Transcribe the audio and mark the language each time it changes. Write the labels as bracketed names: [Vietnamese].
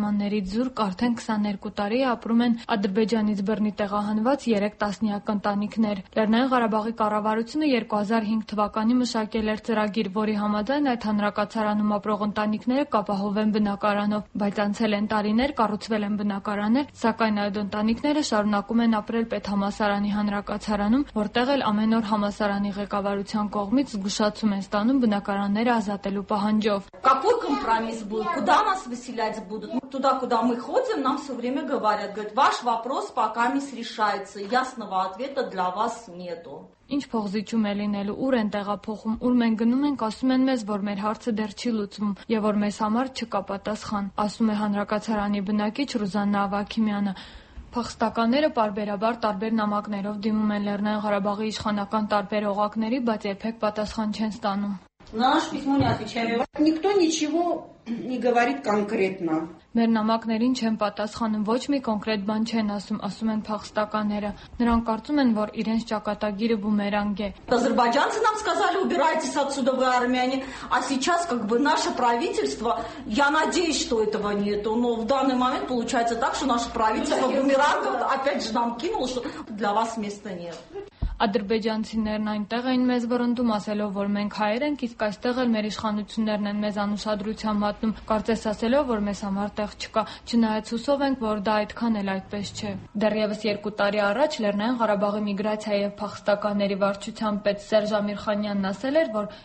[Armenian] պայմանների զուրկ արդեն 22 տարի ապրում են Ադրբեջանից բռնի տեղահանված 3 տասնյակ ընտանիքներ։ Լեռնային Ղարաբաղի կառավարությունը 2005 թվականի մշակել էր ծրագիր, որի համաձայն այդ հանրակացարանում ապրող ընտանիքները կապահովեն բնակարանով, բայց անցել են տարիներ, կառուցվել են բնակարաններ, սակայն այդ ընտանիքները շարունակում են ապրել պետհամասարանի հանրակացարանում, որտեղ էլ ամեն օր համասարանի ղեկավարության կողմից զգուշացում են ստանում բնակարանները ազատելու պահանջով։ [Russian] Какой компромисс будет? Куда нас выселять будут? Туда, куда мы ходим, нам всё время говорят, говорят: "Ваш вопрос пока не решается. Ясного ответа для вас нету". [Armenian] Ինչ փողզիչում է լինելու, ուր են տեղափոխում, ուր մենք գնում ենք, ասում են մեզ, որ մեր հարցը դեռ չի լուծվում եւ որ մեզ համար չկա պատասխան, ասում է հանրակացարանի բնակիչ Ռուզաննա Ավաքիմյանը։ Փախստականները պարբերաբար տարբեր նամակներով դիմում են Լեռնային Ղարաբաղի իշխանական տարբեր օղակների, բայց երբեք պատասխան չեն ստանում։ [Russian] Наш письмо не отвечает. Никто ничего не говорит конкретно. [Armenian] Մեր նամակներին չեն պատասխանում, ոչ մի կոնկրետ բան չեն ասում, ասում են փախստականները։ Նրանք կարծում են, որ իրենց ճակատագիրը բումերանգ է։ [Russian] Ադրբեջանցի нам сказали убирайтесь отсюда вы армяне, а сейчас как бы наше правительство, я надеюсь, что этого нету, но в данный момент получается так, что наше правительство бумеранг опять же нам кинуло, что для вас места нет. [Armenian] Ադրբեջանցիներն այնտեղ են մեզ վրընտում, ասելով, որ մենք հայեր ենք, իսկ այստեղ էլ մեր իշխանություններն են մեզ անուշադրության մատնում, կարծես ասելով, որ մեզ համար տեղ չկա, չնայած հուսով ենք, որ դա այդքան էլ այդպես չէ։ Դեռևս 2 տարի առաջ Լեռնային Ղարաբաղի միգրացիա և փախստականների վարչության պետ Սերժ Ամիրխանյանն ասել էր, որ